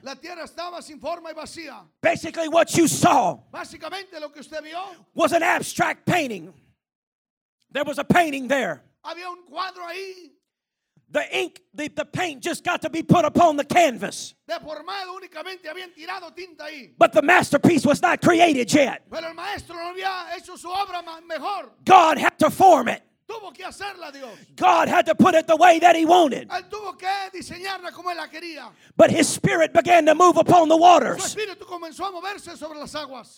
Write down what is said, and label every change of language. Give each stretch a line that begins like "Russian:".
Spanish: La tierra estaba sin forma y vacía.
English: Basically, what you saw,
Spanish: básicamente, lo que usted vio,
English: was an abstract painting. There was a painting there.
Spanish: Había un cuadro ahí.
English: The ink, the paint just got to be put upon the canvas.
Spanish: Deformado, únicamente habían tirado tinta ahí.
English: But the masterpiece was not created yet.
Spanish: Pero el maestro no había hecho su obra mejor.
English: God had to form it.
Spanish: Tuvo que hacerla, Dios.
English: God had to put it the way that he wanted.
Spanish: Él tuvo que diseñarla como él la quería.
English: But his spirit began to move upon the waters.
Spanish: Su espíritu comenzó a moverse sobre las aguas.